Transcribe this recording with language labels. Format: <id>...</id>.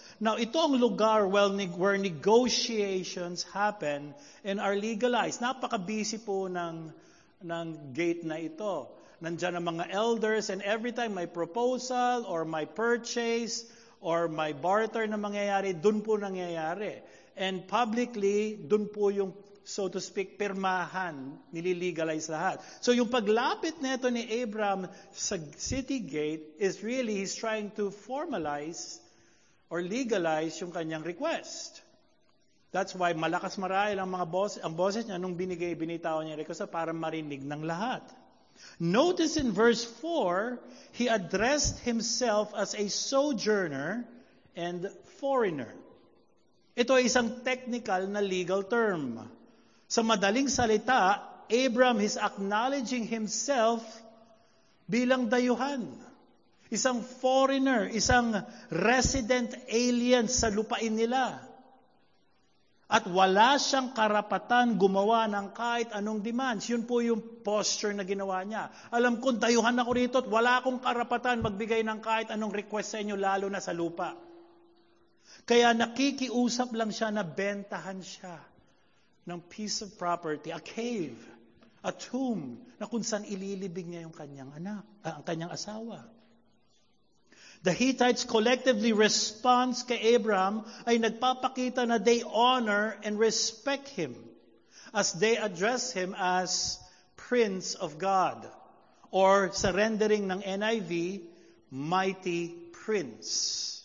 <en>Now,</en> <tl>ito ang lugar</tl> <en>where negotiations happen and are legalized.</en> <tl>Napaka-busy po ng gate na ito. Nandiyan ang mga elders,</tl> <en>and every time</en> <tl>may proposal or may purchase or may barter na mangyayari, dun po nangyayari. And publicly, dun po yung, so to speak, pirmahan, nililegalize lahat.</tl> <en>So</en> <tl>yung paglapit nito ni Abraham sa</tl> <en>city gate is really he's trying to formalize or legalize</en> <tl>yung kanyang</tl> <en>request. That's why</en> <tl>malakas marahil ang mga boses, ang boses niya nung binitawan niya request para marinig ng lahat.</tl> <en>Notice in verse 4, he addressed himself as a sojourner and foreigner.</en> <tl>Ito ay isang technical na legal term. Sa madaling salita,</tl> <en>Abraham is acknowledging himself</en> <tl>bilang dayuhan. Isang foreigner, isang resident alien sa lupain nila. At wala siyang karapatan gumawa ng kahit anong demands. Yun po yung posture na ginawa niya. Alam kong dayuhan ako rito at wala akong karapatan magbigay ng kahit anong request sa inyo, lalo na sa lupa. Kaya nakikiusap lang siya na bentahan siya ng piece of property, a cave, a tomb, na kung saan ililibing niya yung kanyang anak, ang kanyang asawa.</tl> <en>The Hittites collectively responds</en> <tl>kay Abraham ay nagpapakita na</tl> <en>they honor and respect him as they address him as Prince of God, or</en> <tl>sa rendering ng NIV,</tl> <en>Mighty Prince.</en>